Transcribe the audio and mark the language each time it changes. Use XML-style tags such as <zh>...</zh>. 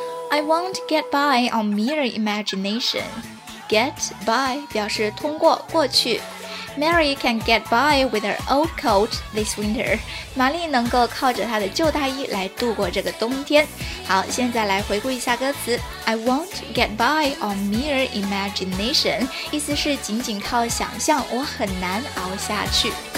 <en>I won't get by on mere imagination.</en> <zh>Get by 表示通过过去。</zh> <en>Mary can get by with her old coat this winter.</en> <zh>玛丽能够靠着她的旧大衣来度过这个冬天。好，现在来回顾一下歌词。</zh> <en>I won't get by on mere imagination.</en> <zh>意思是仅仅靠想象，我很难熬下去。</zh>